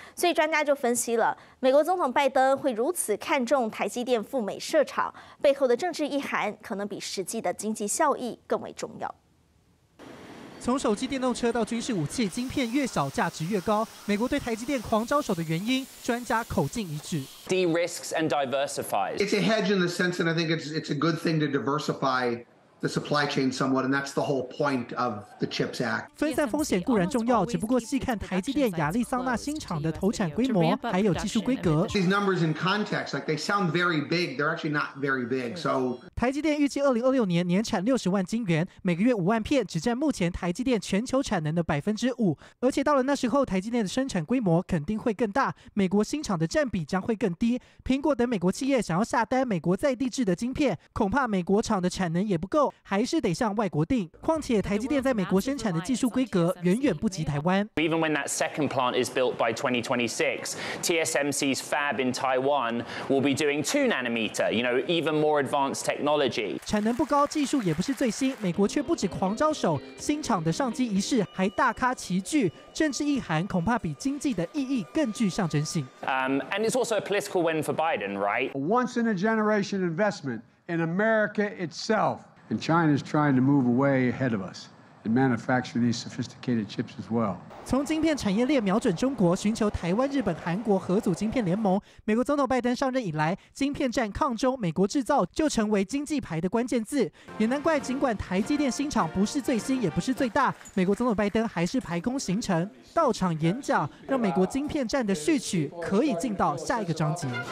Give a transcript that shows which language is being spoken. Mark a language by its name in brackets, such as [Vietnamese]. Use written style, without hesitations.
[Chinese] 所以专家就分析了，美国总统拜登会如此看重台积电赴美设厂，背后的政治意涵可能比实际的经济效益更为重要。从手机、电动车到军事武器，晶片越小价值越高。美国对台积电狂招手的原因，专家口径一致。 [English] De-risks and diversifies. It's a hedge in the sense that I think it's a good thing to diversify the supply chain somewhat, and that's the whole point of the Chips Act. [Chinese] 分散风险固然重要，只不过细看台积电亚利桑那新厂的投产规模还有技术规格。 [English] These numbers in context, like they sound very big, they're actually not very big. So. [Chinese] 台积电预计2026年年产60万晶圆，每个月5万片，只占目前台积电全球产能的5%。而且到了那时候，台积电的生产规模肯定会更大，美国新厂的占比将会更低。苹果等美国企业想要下单美国在地制的晶片，恐怕美国厂的产能也不够，还是得向外国订。况且台积电在美国生产的技术规格远远不及台湾。 [English] Even when that second plant is built by 2026, TSMC's fab in Taiwan will be doing 2 nanometer, you know, even more advanced technology. [Chinese] 产能不高，技术也不是最新，美国却不止狂招手，新厂的上机仪式还大咖齐聚，政治意涵恐怕比经济的意义更具象征性。 [English] And it's also a political win for Biden, right? Once in a generation investment in America itself. And China is trying to move away ahead of us and manufacture these sophisticated chips as well. [Chinese] 从晶片产业链瞄准中国，寻求台湾、日本、韩国合组晶片联盟。美国总统拜登上任以来，晶片战抗中、美国制造就成为经济牌的关键字。也难怪，尽管台积电新厂不是最新，也不是最大，美国总统拜登还是排空行程到场演讲，让美国晶片战的序曲可以进到下一个章节。